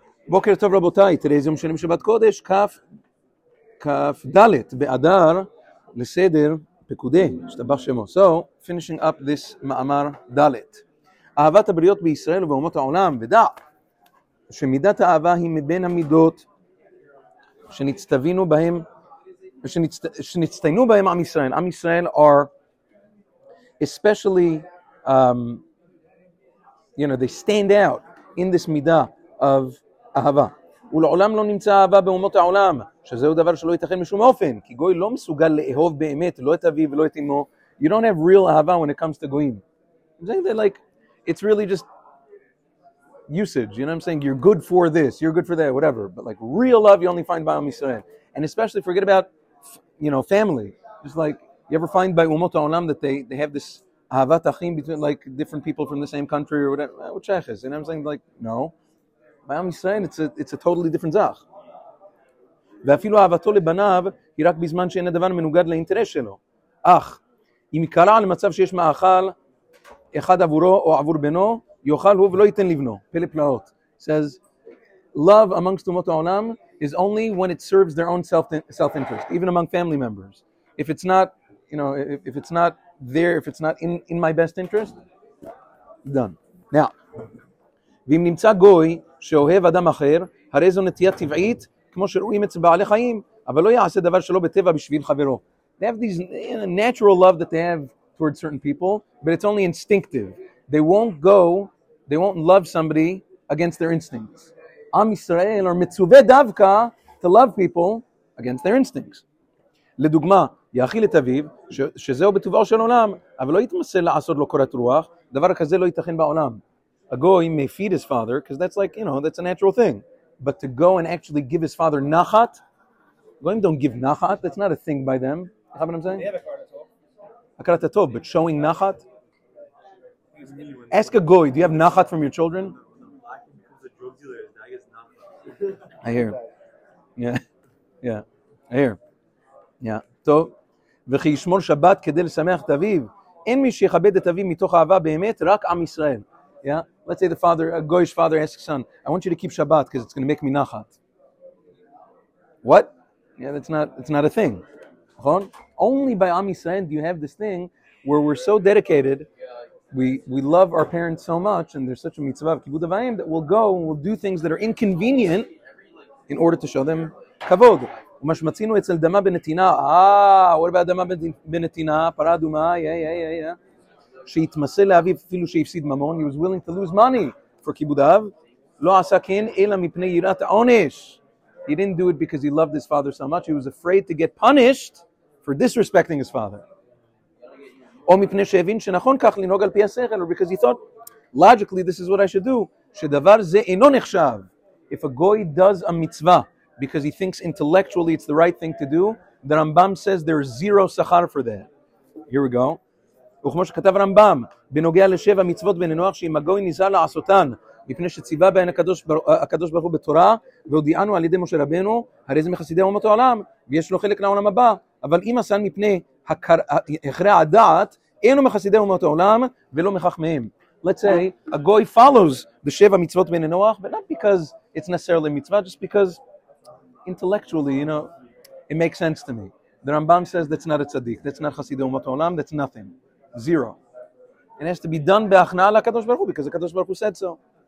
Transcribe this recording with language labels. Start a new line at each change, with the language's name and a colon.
Hebrew: בוקר טוב רבותיי, תראה איזה יום שני משבת קודש, כף דלת באדר לסדר פקודי, שתבח שמו.
English: So, finishing up this מאמר דלת.
Hebrew: אהבת הבריות בישראל ובאומות העולם, ודע שמידת האהבה היא מבין המידות שנצטווינו בהם, שנצטיינו בהם עם ישראל.
English: עם ישראל are especially, you know, they stand out in this מידה of אהבה.
Hebrew: ולעולם לא נמצא אהבה באומות העולם, שזהו דבר שלא ייתכן משום אופן, כי גוי לא מסוגל לאהוב באמת, לא את אביו ולא את אמו.
English: You don't have real אהבה when it comes to goyim. I'm saying that like, it's really just usage, you know what I'm saying? You're good for this, you're good for that, whatever. But like, real love you only find by Am Yisrael. And especially, forget about, you know, family. Just like, you ever find by אומות העולם that they have this אהבת אחים between like different people from the same country or whatever? What check is? You know what I'm saying? Like, no. I'm saying it's a totally different zach.
Hebrew: ואפילו אהבתו לבניו היא רק בזמן שאין הדבר מנוגד לאינטרס שלו. אך, אם יקרה על מצב שיש מאכל אחד עבורו או עבור בנו, יאכל הוא ולא ייתן לבנו. פלא פלאות.
English: It says, love amongst אומות העולם is only when it serves their own self-interest, even among family members. If it's not, you know, if it's not there, if it's not in my best interest, done.
Hebrew: Now, ואם נמצא גוי שאוהב אדם אחר, הרי זו נטייה טבעית, כמו שרואים אצל בעלי חיים, אבל לא יעשה דבר שלא בטבע בשביל חברו.
English: They have this natural love that they have towards certain people, but it's only instinctive. They won't love somebody against their instincts. עם ישראל are מצווה דווקא to love people against their instincts.
Hebrew: לדוגמה, יאכיל את אביו, שזהו בטבעו של עולם, אבל לא יתמסר לעשות לו קורת רוח, דבר כזה לא ייתכן בעולם.
English: A goy may feed his father, because that's like, you know, that's a natural thing. But to go and actually give his father nachat, goyim don't give nachat, that's not a thing by them. You know what I'm saying? Hakarat hatov, but showing nachat? Ask a goy, do you have nachat from your children? I hear. טוב.
Hebrew: וכי ישמור שבת כדי לשמח את אביו. אין מי שיכבד את אביו מתוך אהבה באמת, רק עם ישראל.
English: Yeah, let's say the father, a goyish father asks son, I want you to keep Shabbat because it's going to make me nachat. What? Yeah, that's not a thing. Only by Am Yisrael do you have this thing where we're so dedicated, we love our parents so much, and there's such a mitzvah of kibud avayim, that we'll go and we'll do things that are inconvenient in order to show them kavod.
Hebrew: ומשמצינו אצל דמה בנתינה,
English: what about
Hebrew: דמה בנתינה, פרה אדומה, yeah. שהתמסה לאביו אפילו שהפסיד ממון,
English: he was willing to lose money for kibudav,
Hebrew: לא עשה כן, אלא מפני יראת העונש.
English: He didn't do it because he loved his father so much, he was afraid to get punished for disrespecting his father.
Hebrew: או מפני שהבין שנכון כך לנהוג על פי השכל,
English: or because he thought, logically, this is what I should do,
Hebrew: שדבר זה אינו נחשב.
English: If a goy does a mitzvah, because he thinks intellectually it's the right thing to do, the Rambam says there is zero sachar for that. Here we go.
Hebrew: וכמו שכתב רמב״ם, בנוגע לשבע מצוות בני נוח, שאם הגוי ניסה לעשותן, מפני שציווה בהן הקדוש ברוך הוא בתורה, והודיענו על ידי משה רבנו, הרי זה מחסידי אומות העולם, ויש לו חלק לעולם הבא. אבל אם עשן מפני הכרעת הדעת, אינו מחסידי אומות העולם, ולא מחכמיהם.
English: Let's say, a goy follows the שבע מצוות בני נוח, but not because it's necessarily mitzvah, just because intellectually, you know, it makes sense to me. The רמב״ם says that's not a tzaddik, that's not חסידי אומות העולם, that's nothing. Zero. It has to be done by Achna Allah Kadosh Baruch Hu, because the Kadosh Baruch Hu said so.